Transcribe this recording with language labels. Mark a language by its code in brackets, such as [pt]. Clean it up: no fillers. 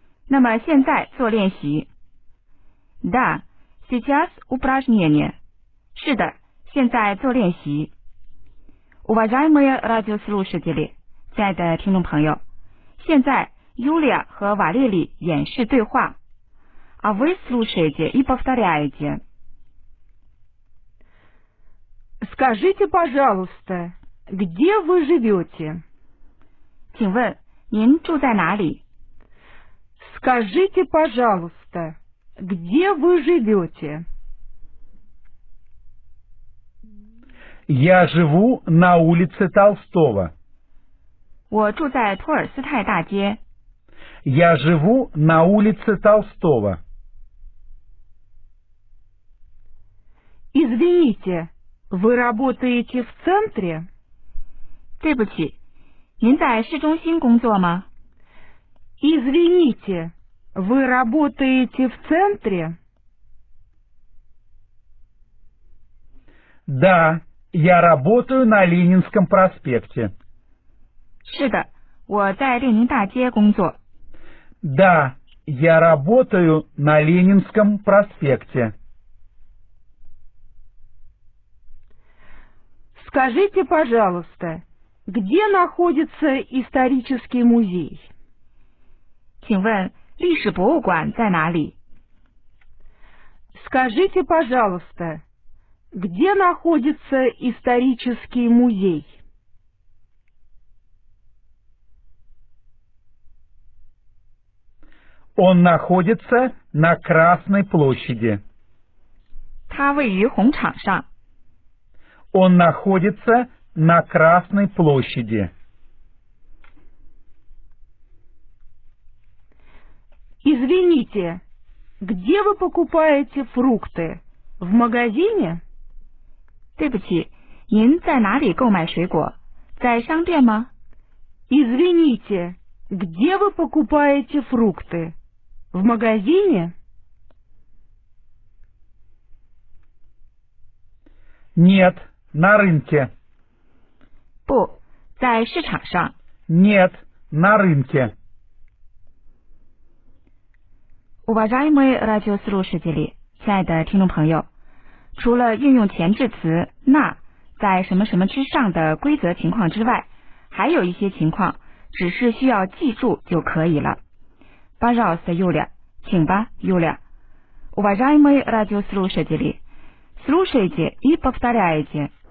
[zh] 那么现在做练习。 [ru] Да, сейчас упражнение. [zh] 是的，现在做练习。 [ru] Уважаемые радиослушатели, [zh] 亲爱的听众朋友，现在 Юлия 和瓦列里演示对话。 [ru] А вы слушаете и повторяете. Скажите, пожалуйста, где вы живете? [zh] 请问您住在哪里？ [ru] Скажите, пожалуйста, где вы живете? Я живу на улице Толстого. [zh] 我住在托尔斯泰大街。 [ru] Я живу на улице Толстого. Извините, вы работаете в центре? [zh] 对不起，您在市中心工作吗？ [ru] Извините. Вы работаете в центре? Да, я работаю на Ленинском проспекте. [zh] 是的，我在列宁大街工作。 [ru] Да, я работаю на Ленинском проспекте. Скажите, пожалуйста, где находится исторический музей? [zh] 请问历史博物馆在哪里？ [ru] Скажите, пожалуйста, где находится исторический музей? Он находится на Красной площади. [zh] 它位于红场上。 [ru] Он находится на Красной площади. Извините, где вы покупаете фрукты? В магазине? [zh] 对不起，您在哪里购买水果？在商店吗？ [ru] Извините, где вы покупаете фрукты? В магазине? Нет, на рынке. [zh] 不，在市场上。 [ru] Нет, на рынке. Уважаемые радиослушатели, [zh] 亲爱的听众朋友，除了运用前置词那在什么什么之上的规则情况之外，还有一些情况只是需要记住就可以了。 [ru] Пожалуйста, Юля, Чин ба, Юля. Уважаемые радиослушатели, слушайте и повторяйте.